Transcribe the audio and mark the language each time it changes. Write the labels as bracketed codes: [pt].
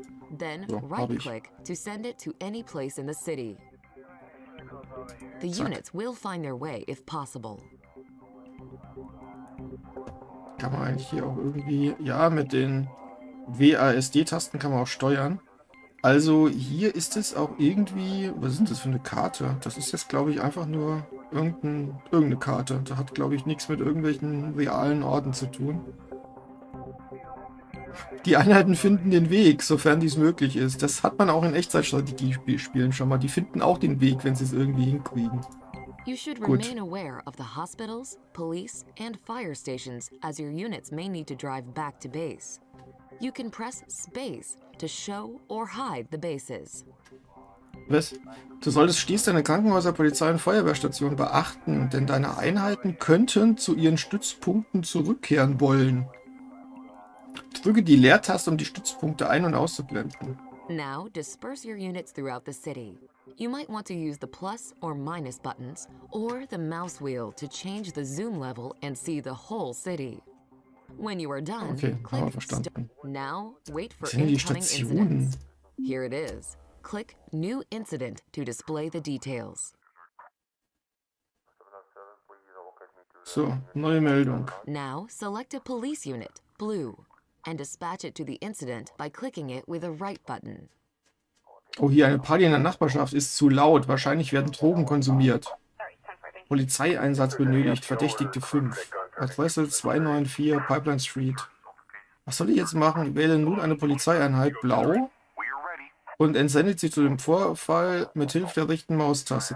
[en] Then right-click to send it to any place in the city. The units will find their way if possible. [de] Kann man eigentlich hier auch irgendwie, ja, mit den WASD-Tasten kann man auch steuern. Also hier ist es auch irgendwie, was ist das für eine Karte? Das ist jetzt, glaube ich, einfach nur irgendeine Karte. Da hat, glaube ich, nichts mit irgendwelchen realen Orten zu tun. Die Einheiten finden den Weg, sofern dies möglich ist. Das hat man auch in Echtzeitstrategiespielen schon mal. Die finden auch den Weg, wenn sie es irgendwie hinkriegen. [en] You should remain aware of the hospitals, police and fire stations, as your units may need to drive back to base. You can press space to show or hide the bases. [de] Was? Du solltest stets deine Krankenhäuser, Polizei und Feuerwehrstationen beachten, denn deine Einheiten könnten zu ihren Stützpunkten zurückkehren wollen. Drücke die Leertaste, um die Stützpunkte ein- und auszublenden. [en] Now disperse your units throughout the city. You might want to use the plus or minus buttons or the mouse wheel to change the zoom level and see the whole city. When you are done, okay, click verstanden. Now wait for incoming incidents. Here it is. Click new incident to display the details. [de] So, neue Meldung. [en] Now select a police unit, blue. And dispatch it to the incident by clicking it with a right button. [de] Oh, hier eine Party in der Nachbarschaft ist zu laut. Wahrscheinlich werden Drogen konsumiert. Polizeieinsatz benötigt. Verdächtigte 5. Adresse 294 Pipeline Street. Was soll ich jetzt machen? Wähle nun eine Polizeieinheit blau und entsendet sie zu dem Vorfall mit Hilfe der rechten Maustaste.